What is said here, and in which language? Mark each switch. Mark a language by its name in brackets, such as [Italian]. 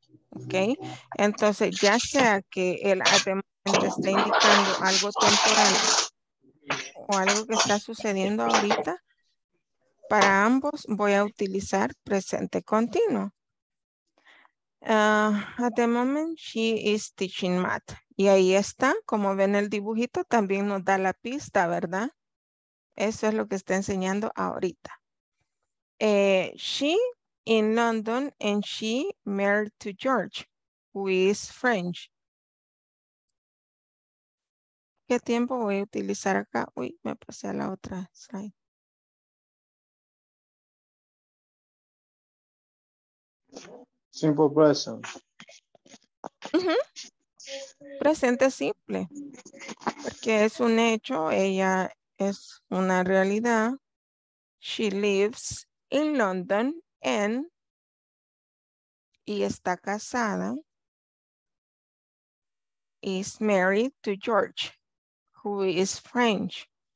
[Spanish] Ok, entonces ya sea que el at the moment esté indicando algo temporal o algo que está sucediendo ahorita, para ambos voy a utilizar presente continuo. [English] At the moment she is teaching math. [Spanish] Y ahí está, como ven el dibujito, también nos da la pista, ¿verdad? Eso es lo que está enseñando ahorita. [English] She in London and she married to George, who is French. [Spanish] ¿Qué tiempo voy a utilizar acá? Uy, me pasé a la otra slide. [English] Simple present. [Spanish] Presente simple. Porque es un hecho, ella es una realidad. [English] She lives in London and [Spanish] y está casada, [English] is married to George, who is French.